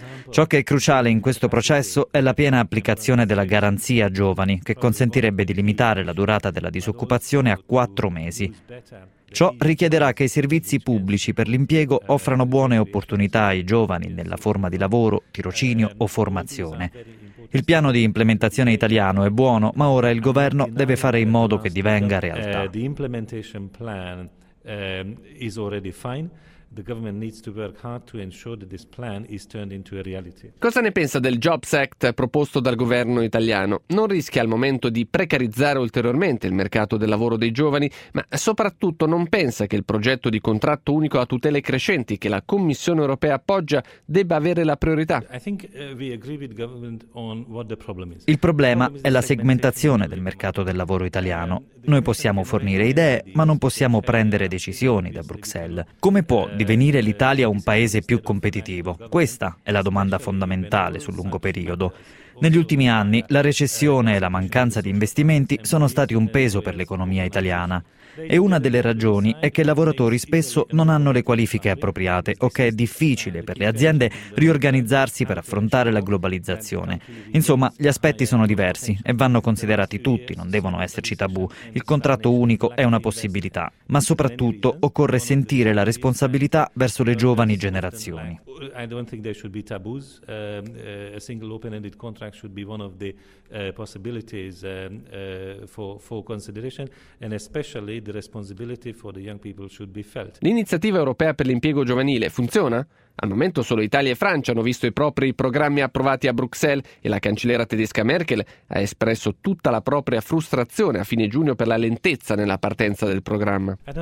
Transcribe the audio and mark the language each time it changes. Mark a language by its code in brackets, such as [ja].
[it] Ciò che è cruciale in questo processo è la piena applicazione della Garanzia Giovani, che consentirebbe di limitare la durata della disoccupazione a 4 mesi. Ciò richiederà che i servizi pubblici per l'impiego offrano buone opportunità ai giovani nella forma di lavoro, tirocinio o formazione. Il piano di implementazione italiano è buono, ma ora il governo deve fare in modo che divenga realtà. [en] The implementation plan is already fine. The government needs to work hard to ensure that this plan is turned into a reality. [it] Cosa ne pensa del Jobs Act proposto dal governo italiano? Non rischia al momento di precarizzare ulteriormente il mercato del lavoro dei giovani, ma soprattutto non pensa che il progetto di contratto unico a tutele crescenti che la Commissione europea appoggia debba avere la priorità? [en] I think we agree with government on what the problem is. [it] Il problema è la segmentazione del mercato del lavoro italiano. Noi possiamo fornire idee, ma non possiamo prendere decisioni da Bruxelles. Come può divenire l'Italia un paese più competitivo? Questa è la domanda fondamentale sul lungo periodo. Negli ultimi anni, la recessione e la mancanza di investimenti sono stati un peso per l'economia italiana. E una delle ragioni è che i lavoratori spesso non hanno le qualifiche appropriate o che è difficile per le aziende riorganizzarsi per affrontare la globalizzazione. Insomma, gli aspetti sono diversi e vanno considerati tutti, non devono esserci tabù. Il contratto unico è una possibilità, ma soprattutto occorre sentire la responsabilità verso le giovani generazioni. [en] I don't think there should be taboos. A single open-ended contract should be one of the possibilities for consideration, and especially the responsibility for the young people should be felt. [it] L'iniziativa europea per l'impiego giovanile funziona? Al momento solo Italia e Francia hanno visto i propri programmi approvati a Bruxelles e la cancelliera tedesca Merkel ha espresso tutta la propria frustrazione a fine giugno per la lentezza nella partenza del programma.